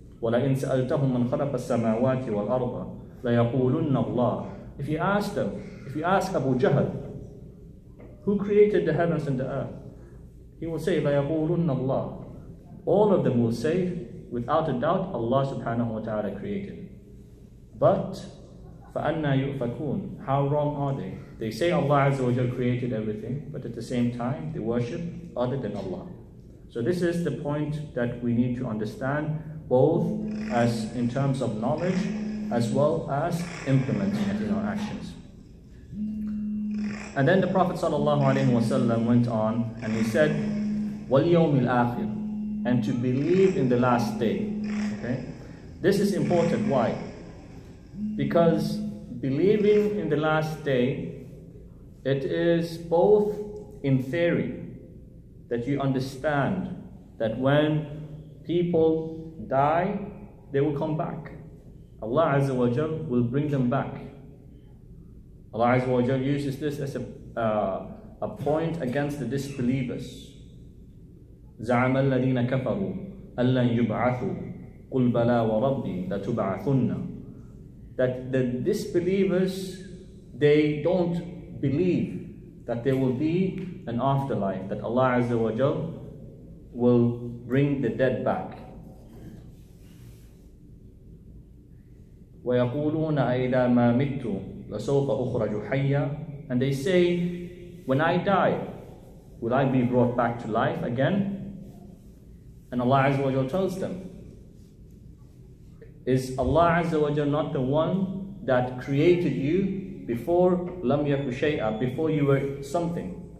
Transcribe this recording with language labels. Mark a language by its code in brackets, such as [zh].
[ar] وَلَئِنْ سَأَلْتَهُمْ مَنْ خَلَقَ السَّمَاوَاتِ وَالْأَرْضَ لَيَقُولُنَّ اللَّهِ. [en] If you ask them, if you ask Abu Jahl, who created the heavens and the earth, he will say, [ar] لَيَقُولُنَّ اللَّهِ. [en] All of them will say, without a doubt, Allah subhanahu wa ta'ala created. But, [ar] فَأَنَّا يُؤْفَكُونَ. [en] How wrong are they? They say Allah Azza wa Jal created everything, but at the same time, they worship other than Allah. So this is the point that we need to understand, both as in terms of knowledge, as well as implementing it in our actions. And then the Prophet sallallahu alaihi wasallam went on and he said, [ar] وَالْيَوْمِ الْآخِرِ. [en] And to believe in the last day. Okay? This is important. Why? Because believing in the last day, it is both in theory, that you understand that when people die, they will come back. Allah Azza wa Jal will bring them back. Allah Azza wa Jal uses this as a point against the disbelievers. [ar] زعم الذين كفروا أن لن يبعثوا قل بلى وربي لتبعثن. [en] That the disbelievers, they don't believe that there will be an afterlife, that Allah Azza wa Jal will bring the dead back. [ar] ويقولون أئذا ما مت لسوف أخرج حيا. [en] And they say, when I die, will I be brought back to life again? And Allah Azza wa Jal tells them, is Allah Azza wa Jal not the one that created you before [ar] lam yaku shay'a, [en] before you were something?